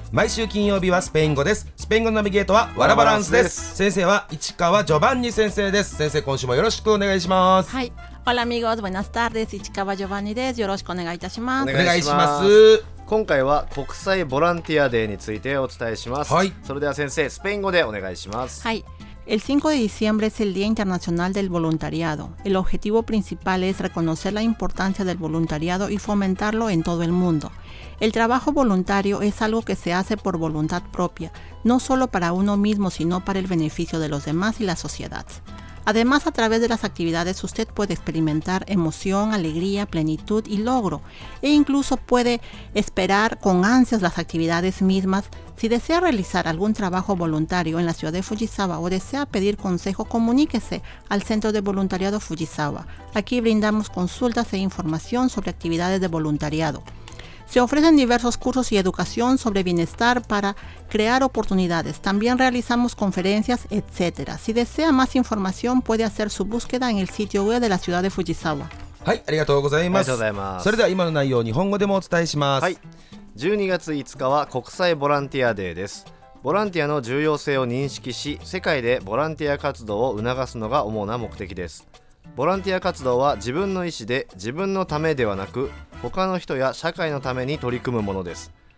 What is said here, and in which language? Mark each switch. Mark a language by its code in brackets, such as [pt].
[ja] 毎週金曜日はスペイン語です。スペイン語のナビゲートはワラバランスです。先生は市川ジョバンニ先生です。先生、今週もよろしくお願いします。はい、オラミゴーズ、ブナスターです。市川ジョバンニです。よろしくお願いいたします。お願いします。今回は国際ボランティアデーについてお伝えします、はい、それでは先生、スペイン語でお願いします、はい、 [es] El 5 de diciembre es el Día Internacional del Voluntariado. El objetivo principal es reconocer la importancia del voluntariado y fomentarlo en todo el mundo. El trabajo voluntario es algo que se hace por voluntad propia, no solo para uno mismo, sino para el beneficio de los demás y la sociedad. Además, a través de las actividades usted puede experimentar emoción, alegría, plenitud y logro, e incluso puede esperar con ansias las actividades mismas. Si desea realizar algún trabajo voluntario en la ciudad de Fujisawa o desea pedir consejo, comuníquese al Centro de Voluntariado Fujisawa. Aquí brindamos consultas e información sobre actividades de voluntariado. Se ofrecen diversos cursos y educación sobre bienestar para crear oportunidades. También realizamos conferencias, etc. Si desea más información, puede hacer su búsqueda en el sitio web de la ciudad de Fujisawa. [ja] はい、ありがとうございます。ありがとうございます。それでは今の内容を日本語でもお伝えします。はい。 12月5日は国際ボランティアデーです。ボランティアの重要性を認識し、世界でボランティア活動を促すのが主な目的です。ボランティア活動は自分の意思で、自分のためではなく、他の人や社会のために取り組むものです。